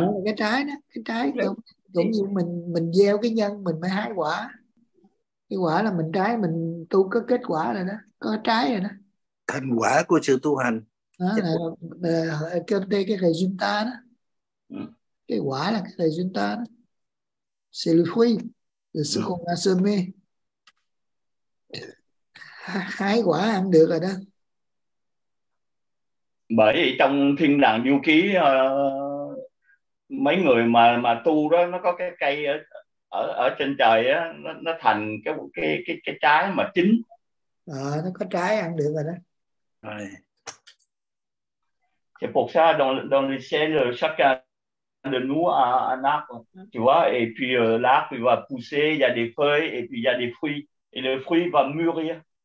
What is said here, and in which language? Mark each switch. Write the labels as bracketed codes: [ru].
[vi] Đúng, cái trái đó, cái trái. Đúng, cũng như mình gieo cái nhân, mình mới hái quả. Cái quả là mình trái, mình tu có kết quả rồi đó, có trái rồi đó. Thành quả của sự tu hành đó là cái thầy chúng ta đó. Cái quả là cái thầy chúng ta đó. [fr] C'est le fruit de ce qu'on a semé. [vi] Hái quả ăn được rồi đó. Bởi vì trong thiên đàng du ký mấy người mà tu đó, nó có cái cây ở trên trời á, nó thành cái trái mà chín. Nó có trái ăn được rồi đó. [fr] C'est pour ça dans le ciel chaque de nous a un arbre, tu vois, et puis l'arbre va pousser, il y a des feuilles et puis il y a des fruits et le fruit va mûrir.